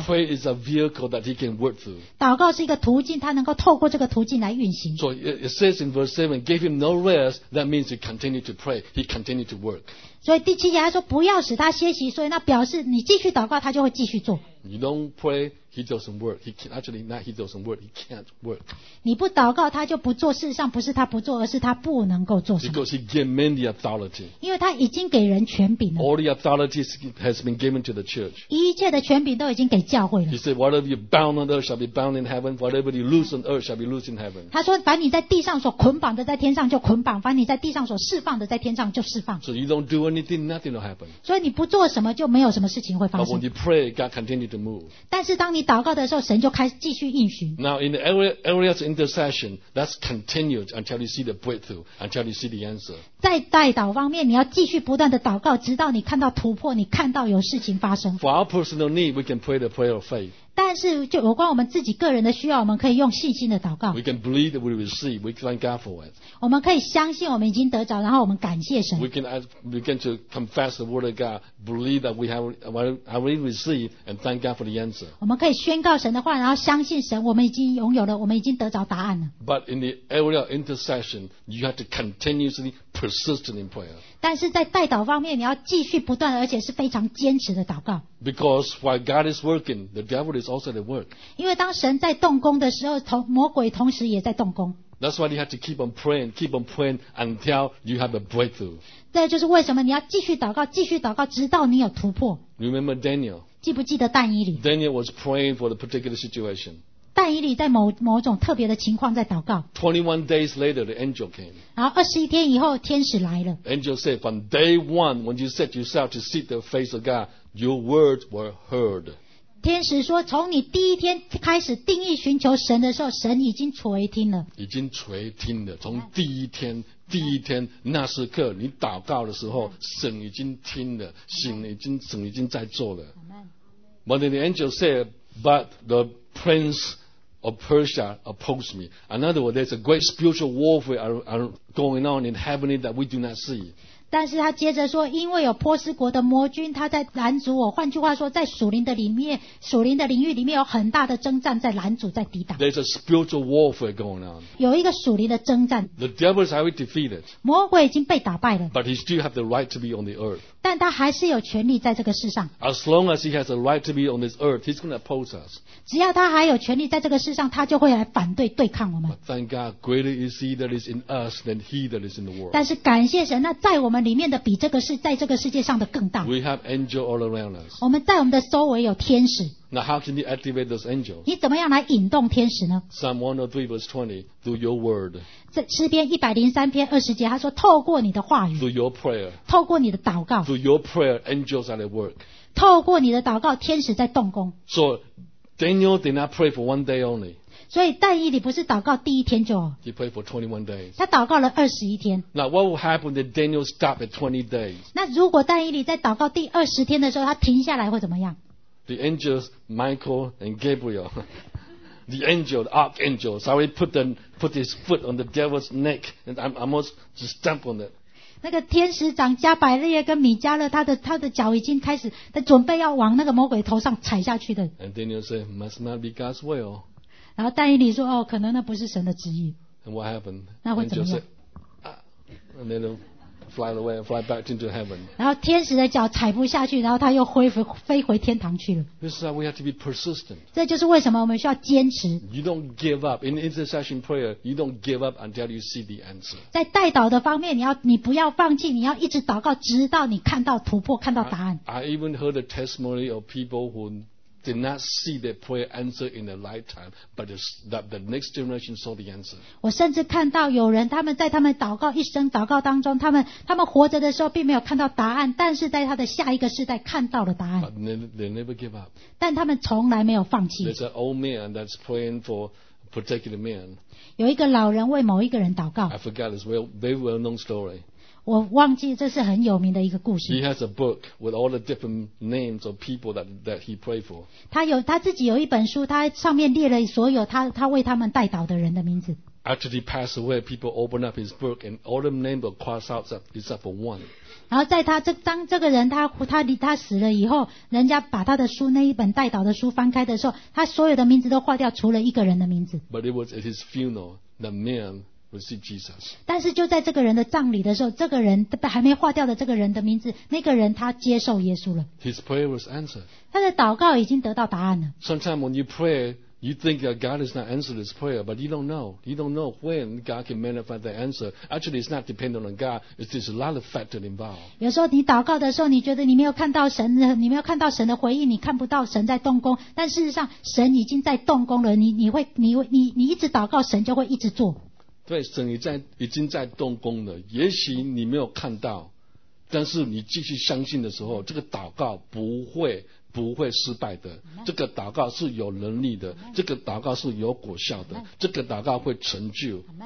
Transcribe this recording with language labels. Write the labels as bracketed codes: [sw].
[en] Prayer is a vehicle that he can work through [zh] 祷告是一个途径他能够透过这个途径来运行 [en] So it says in verse 7 gave him no rest that means he continued to pray he continued to work [zh] 所以第七节他说不要使他歇息所以那表示你继续祷告他就会继续做 [en] You don't pray, he doesn't work. He can, actually, not he doesn't work, he can't work. [zh] 你不祷告他就不做事实上不是他不做而是他不能够做什么 [en] Because he gave men the authority. [zh] 因为他已经给人权柄了 [en] All the authority has been given to the church. [zh] 一切的权柄都已经给教会了 [en] He said, whatever you bound on earth shall be bound in heaven, whatever you loose on earth shall be loose in heaven. [zh] 他说凡你在地上所捆绑的在天上就捆绑凡你在地上所释放的在天上就释放 [en] So you don't do anything, nothing will happen. [zh] 所以你不做什么就没有什么事情会发生 [en] But when you pray, God continued to move. Now in the areas of intercession, that's continued until you see the breakthrough, until you see the answer. [zh] 在代祷方面，你要继续不断的祷告，直到你看到突破，你看到有事情发生。 [en] For our personal need, we can pray the prayer of faith. [zh] 但是就有关我们自己个人的需要，我们可以用信心的祷告。 [en] We can believe that we receive. We thank God for it. [zh] 我们可以相信我们已经得着，然后我们感谢神。 [en] We can begin to confess the word of God, believe that we have already received, and thank God for the answer. [zh] 我们可以宣告神的话，然后相信神，我们已经拥有了，我们已经得着答案了。 [en] But in the area of intercession, you have to continuously persistent in prayer. [zh] 但是在代祷方面，你要继续不断，而且是非常坚持的祷告。 [en] Because while God is working, the devil is also at work. [zh] 因为当神在动工的时候，魔鬼同时也在动工。 [en] That's why you have to keep on praying until you have a breakthrough. [zh] 这就是为什么你要继续祷告，继续祷告，直到你有突破。 [en] Remember Daniel? [zh] 记不记得但以理 [en] ？Daniel was praying for the particular situation. [zh] 但以理在某种特别的情况在祷告。 [en] 21 days later, the angel came. [zh] 然后二十一天以后，天使来了。 [en] Angel said, from day one, when you set yourself to seek the face of God. Your words were heard. [zh] 天使说，从你第一天开始定义寻求神的时候，神已经垂听了。已经垂听了，从第一天。第一天那时刻你祷告的时候，神已经听了，神已经在做了。 [en] But then the angel said, but the prince of Persia opposed me. In other words, there's a great spiritual warfare going on in heaven that we do not see. [zh] 但是他接着说因为有波斯国的魔君他在拦阻我换句话说在属灵的里面属灵的领域里面有很大的征战在拦阻在抵挡 [en] There's a spiritual warfare going on [zh] 有一个属灵的征战 [en] The devil is already defeated [zh] 魔鬼已经被打败了 [en] But he still has the right to be on the earth [zh] 但他还是有权利在这个世上 [en] As long as he has the right to be on this earth he's going to oppose us [zh] 只要他还有权利在这个世上他就会来反对对抗我们 [en] But thank God greater is he that is in us than he that is in the world [zh] 但是感谢神那在我们里面的比这个是在这个世界上的更大。 [en] We have angels all around us. [zh] 我们在我们的周围有天使。 [en] Now how can you activate those angels? [zh] 你怎么样来引动天使呢 [en] ？Psalm 103 verse 20 through your word. [zh] 诗篇103篇20节，他说透过你的话语。 [en] Through your prayer. [zh] 透过你的祷告。 [en] Through your prayer, angels are at work. [zh] 透过你的祷告，天使在动工。 [en] So Daniel did not pray for one day only. [zh] 所以但以理不是祷告第一天就。 [en] He prayed for 21 days. [zh] 他祷告了21天。 [en] Now what will happen if Daniel stopped at 20 days? [zh] 那如果但以理在祷告第20天的时候他停下来会怎么样 [en] ?The angels, Michael and Gabriel, the angel, the archangel, sorry, put his foot on the devil's neck and I'm almost just stamp on it. [zh] 那个天使长加百列跟米迦勒他的脚已经开始他准备要往那个魔鬼头上踩下去的。 [en] And Daniel said, must not be God's will. [zh] 然后但以理说、哦、可能那不是神的旨意 [en] And what happened? [zh] 那会怎么样 [en] And then they'll fly away and fly back into heaven [zh] 然后天使的脚踩不下去然后他又飞回天堂去了 [en] This is why we have to be persistent [zh] 这就是为什么我们需要坚持 [en] You don't give up In intercession prayer You don't give up until you see the answer [zh] 在代祷的方面你不要放弃你要一直祷告直到你看到突破看到答案 [en] I even heard the testimony of people whoDid not see their prayer answer in their lifetime, but the next generation saw the answer. [zh] 我甚至看到有人他们在他们祷告一生祷告当中他们活着的时候并没有看到答案但是在他的下一个世代看到了答案。 [en] But they never give up. [zh] 但他们从来没有放弃。 [en] There's an old man that's praying for a particular man. [zh] 有一个老人为某一个人祷告。 [en] I forgot his very well-known story. [zh] 我忘记这是很有名的一个故事。 [en] He has a book with all the different names of people that he prayed for. [zh] 他自己有一本书，他上面列了所有他为他们代祷的人的名字。 [en] After he passed away, people opened up his book, and all the names were crossed out except for one. [zh] 然后在他这当这个人他死了以后，人家把他的书那一本代祷的书翻开的时候，他所有的名字都划掉，除了一个人的名字。 [en] But it was at his funeral that man. Receive Jesus. [zh] 但是就在这个人的葬礼的时候，这个人还没划掉的这个人的名字，那个人他接受耶稣了。 [en] His prayer was answered. [zh] 他的祷告已经得到答案了。 [en] Sometimes when you pray, you think that God is not answering this prayer, but you don't know. You don't know when God can manifest the answer. Actually, it's not dependent on God. It's just a lot of factors involved. [zh] 有时候你祷告的时候，你觉得你没有看到神，你没有看到神的回应，你看不到神在动工。但事实上，神已经在动工了。你一直祷告，神就会一直做。对，神已经在动工了，也许你没有看到，但是你继续相信的时候，这个祷告不会失败的，这个祷告是有能力的，这个祷告是有果效的，这个祷告会成就。